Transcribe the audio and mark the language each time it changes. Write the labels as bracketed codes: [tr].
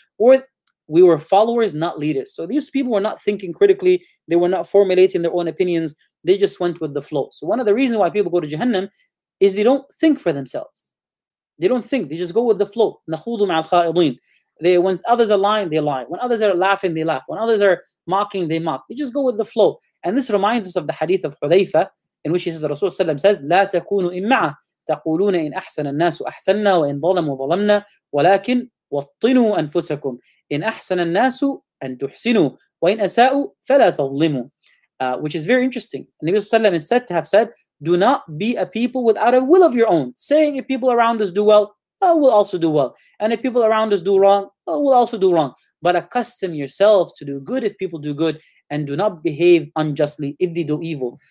[en] Or we were followers, not leaders. So these people were not thinking critically, they were not formulating their own opinions, they just went with the flow. So one of the reasons why people go to Jahannam is they don't think for themselves. They don't think. They just go with the flow. [ar] نَخُوضُ مَعَ الْخَائِضِينَ. [en] When others are lying, they lie. When others are laughing, they laugh. When others are mocking, they mock. They just go with the flow. And this reminds us of the hadith of Hudhayfa, in which he says, Rasulullah says, [ar] لَا تَكُونُوا إِمَّعَ تَقُولُونَ إِنْ أَحْسَنَ النَّاسُ أَحْسَنَّا وَإِنْ ظَلَمُوا ظَلَمْنَا وَلَكِنْ وَطِّنُوا أَنفُسَكُمْ إِنْ أَحْسَنَ النَّاسُ أَنْ تُحْسِنُوا وَإِنْ أَسَاءُوا فَلَا تَظْلِمُوا. [en] Which is very interesting. Nabi Sallallahu Alaihi Wasallam has said, do not be a people without a will of your own, saying if people around us do well, I will also do well. And if people around us do wrong, I will also do wrong. But accustom yourselves to do good if people do good, and do not behave unjustly if they do evil.